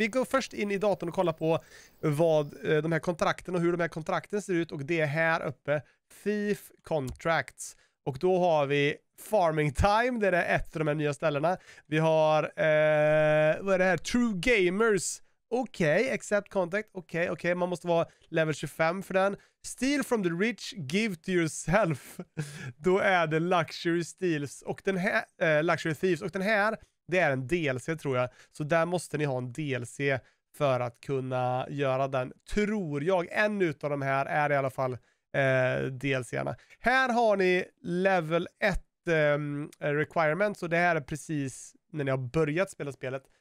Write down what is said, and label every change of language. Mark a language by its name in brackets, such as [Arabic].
[Swedish] Vi går först in i datorn och kollar på vad de här kontrakten och hur de här kontrakten ser ut. Och det är här uppe, Thief Contracts. Och då har vi Farming Time, det är ett av de här nya ställena. Vi har, vad är det här? True Gamers. Okej, [English] okay, accept contact. [Swedish] Okej, man måste vara level 25 för den. [English] Steal from the rich, give to yourself. [Swedish] Då är det Luxury Steals och den här, Luxury Thieves och den här. Det är en DLC tror jag. Så där måste ni ha en DLC för att kunna göra den. Tror jag. En utav de här är i alla fall DLC-erna. Här har ni level 1 requirement. Så det här är precis när ni har börjat spela spelet.